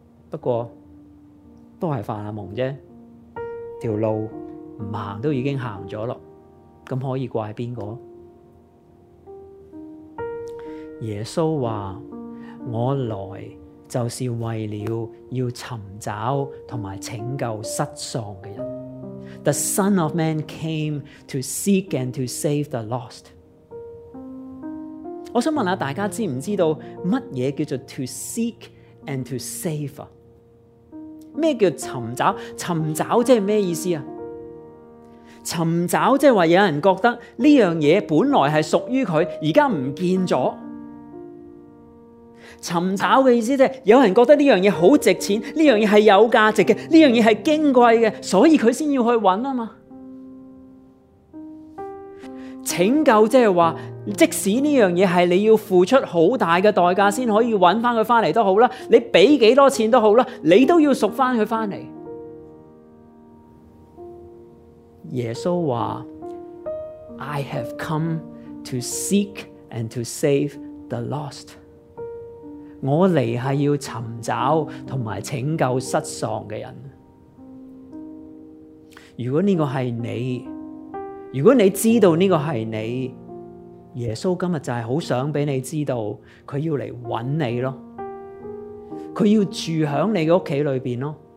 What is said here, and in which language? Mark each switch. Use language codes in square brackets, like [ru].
[yue] 不过都係发下梦啫，条路不行都已经行了，那么可以怪谁呢？耶稣说，我来就是为了要寻找和拯救失丧的人。 [en] The Son of Man came to seek and to save the lost。 [yue] 我想问大家知不知道什么叫做 [en] to seek and to save？ [yue] 什么叫寻找？寻找即是什么意思？寻找即是说有人觉得这件事本来是属于他，现在不见了。寻找的意思就是有人觉得这件事很值钱，这件事是有价值的，这件事是矜贵的，所以他才要去找嘛。拯救就是说，即使这件事是你要付出很大的代价才可以找回他回来都好，你给多少钱都好，你都要赎回他回来。耶稣说， [en] I have come to seek and to save the lost。 [yue] 我来是要寻找和拯救失丧的人。如果这个是你，如果你知道这个是你，耶稣今天就是很想给你知道，他要来找你咯，他要住在你的家里面咯。